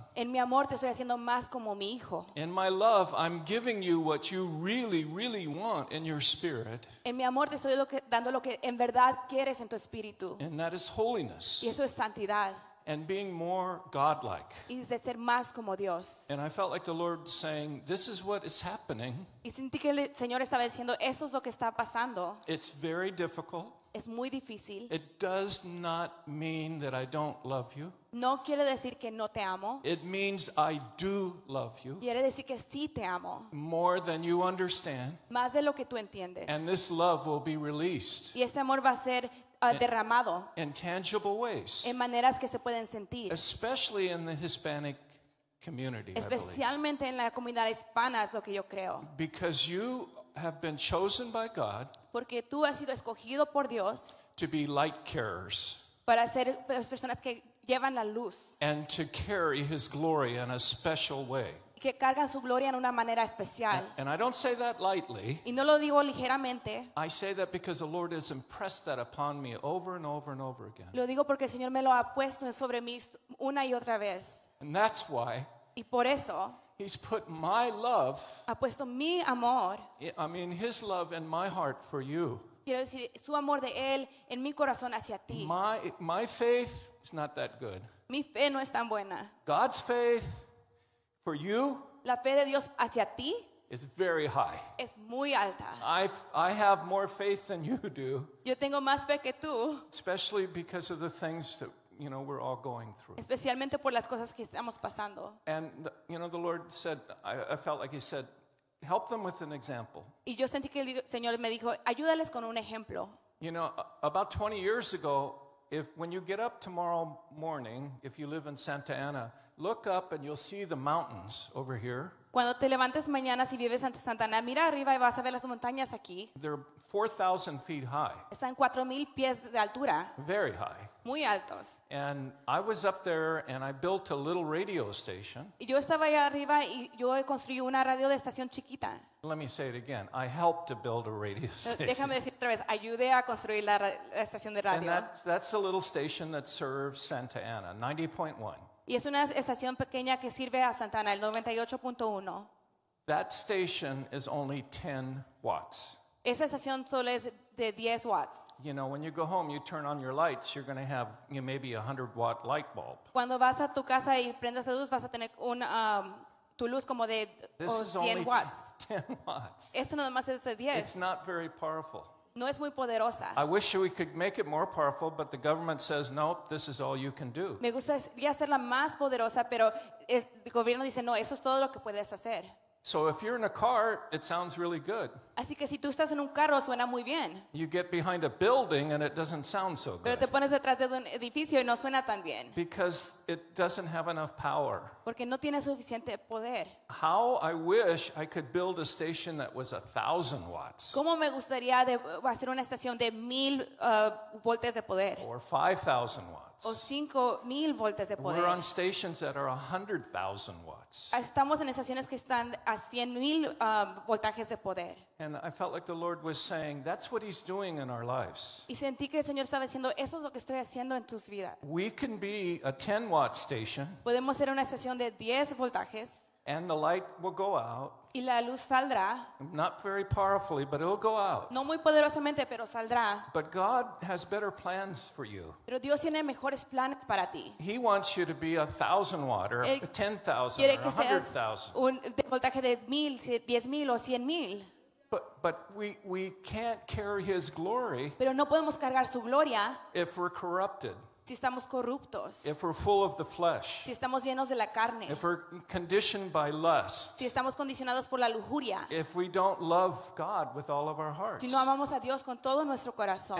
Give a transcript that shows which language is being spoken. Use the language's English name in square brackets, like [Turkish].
[Spanish] En mi amor te estoy haciendo más como mi hijo. [English] In my love, I'm giving you what you really, really want in your spirit. [Spanish] En mi amor te estoy dando lo que en verdad quieres en tu espíritu. [English] And that is holiness. [Spanish] Y eso es santidad. [English] And being more godlike. [Spanish] Y de ser más como Dios. [English] And I felt like the Lord saying, "This is what is happening." [Spanish] Y sentí que el Señor estaba diciendo, "Esto es lo que está pasando." [English] It's very difficult. [Spanish] Es muy difícil. [English] It does not mean that I don't love you. [Spanish] No quiere decir que no te amo. [English] It means I do love you. [Spanish] Quiere decir que sí te amo. [English] More than you understand. [Spanish] Más de lo que tú entiendes. [English] And this love will be released. [Spanish] Y este amor va a ser derramado [English] in tangible ways, [Spanish] en maneras que se pueden sentir, [English] especially in the Hispanic community, [Spanish] especialmente en la comunidad hispana, es lo que yo creo. [English] Because you have been chosen by God, [Spanish] porque tú has sido escogido por Dios, [English] to be light carriers, [Spanish] para ser las personas que llevan la luz, [English] and to carry His glory in a special way. [Spanish] Que cargan su gloria en una manera especial. [English] And I don't say that lightly. [Spanish] Y no lo digo ligeramente. [English] I say that because the Lord has impressed that upon me over and over and over again. [Spanish] Lo digo porque el Señor me lo ha puesto sobre mí una y otra vez. [English] And that's why. [Spanish] Y por eso. [English] He's put my love. [Spanish] Ha puesto mi amor. [English] I mean, His love in my heart for you. [Spanish] Quiero decir, su amor de él en mi corazón hacia ti. [English] My faith is not that good. [Spanish] Mi fe no es tan buena. [English] God's faith. For you, [Spanish] la fe de Dios hacia ti [English] is very high. [Spanish] Es muy alta. [English] I have more faith than you do. [Spanish] Yo tengo más fe que tú. [English] Especially because of the things that, you know, we're all going through. [Spanish] Especialmente por las cosas que estamos pasando. [English] And the, you know, the Lord said, I felt like He said, help them with an example. [Spanish] Y yo sentí que el Señor me dijo, ayúdales con un ejemplo. [English] You know, about 20 years ago, if when you get up tomorrow morning, if you live in Santa Ana. Look up and you'll see the mountains over here. [Spanish] Cuando te levantes mañana si vives en Santa Ana, mira arriba y vas a ver las montañas aquí. [English] They're 4,000 feet high. [Spanish] Están 4,000 pies de altura. [English] Very high. [Spanish] Muy altos. [English] And I was up there and I built a little radio station. [Spanish] Y yo estaba allá arriba y yo construí una radio de estación chiquita. [English] Let me say it again. I helped to build a radio station. [Spanish] Déjame decir otra vez. Ayudé a construir la estación de radio. [English] And that's a little station that serves Santa Ana, 90.1. [Spanish] Y es una estación pequeña que sirve a Santa Ana, el 98.1. [English] That station is only 10 watts. [Spanish] Esa estación solo es de 10 watts. [English] You know, when you go home, you turn on your lights, you're going to have maybe a 100 watt light bulb. [Spanish] Cuando vas a tu casa y prendes la luz, vas a tener tu luz como de 100 watts. [English] This is only 10 watts. [Spanish] Esto nada más es de 10. [English] It's not very powerful. [Spanish] No es muy poderosa. [English] I wish we could make it more powerful, but the government says, nope, this is all you can do. [Spanish] Me gustaría hacerla más poderosa, pero el gobierno dice, no, eso es todo lo que puedes hacer. [English] So if you're in a car, it sounds really good. [Spanish] Así que si tú estás en un carro, suena muy bien. [English] You get behind a building and it doesn't sound so good. [Spanish] Pero te pones detrás de un edificio y no suena tan bien. [English] Because it doesn't have enough power. [Spanish] Porque no tiene suficiente poder. [English] How I wish I could build a station that was 1,000 watts. [Spanish] ¿Cómo me gustaría hacer una estación de 1,000 voltios de poder? [English] Or 5,000 watts. [Spanish] O 5,000 voltios de poder. [English] We're on stations that are 100,000 watts. [Spanish] Estamos en estaciones que están a 100,000 voltajes de poder. [English] And I felt like the Lord was saying, that's what He's doing in our lives. [Spanish] Y sentí que el Señor estaba diciendo, eso es lo que estoy haciendo en tus vidas. [English] We can be a 10-watt station. [Spanish] Podemos ser una estación de 10 voltajes. [English] And the light will go out. [Spanish] Y la luz saldrá. [English] Not very powerfully, but it'll go out. [Spanish] No muy poderosamente, pero saldrá. [English] But God has better plans for you. [Spanish] Pero Dios tiene mejores planes para ti. [English] He wants you to be 1,000 watt or 10,000 [Spanish] quiere [English] or 100,000. [Spanish] Un voltaje de 1,000, 10,000 o 100,000. [English] But we can't carry His glory. [Spanish] Pero no podemos cargar su gloria. [English] If we're corrupted. [Spanish] Si estamos corruptos. [English] If we're full of the flesh. [Spanish] Si estamos llenos de la carne. [English] If we're conditioned by lust. [Spanish] Si estamos condicionados por la lujuria. [English] If we don't love God with all of our hearts. [Spanish] Si no amamos a Dios con todo nuestro corazón.